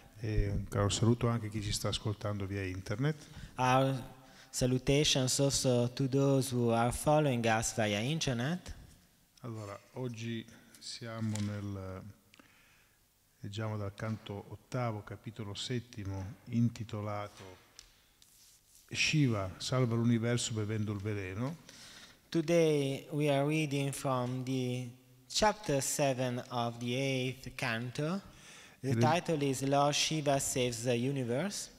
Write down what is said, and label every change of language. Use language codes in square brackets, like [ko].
[it] E un caro saluto anche a chi ci sta ascoltando via internet. [en] Our salutations also to those who are following us via internet. [it] Allora, oggi siamo nel, leggiamo dal canto ottavo, capitolo settimo, intitolato Shiva salva l'universo bevendo il veleno. [en] Today we are reading from the chapter 7 of the 8th canto. The title is Lord Shiva saves the universe.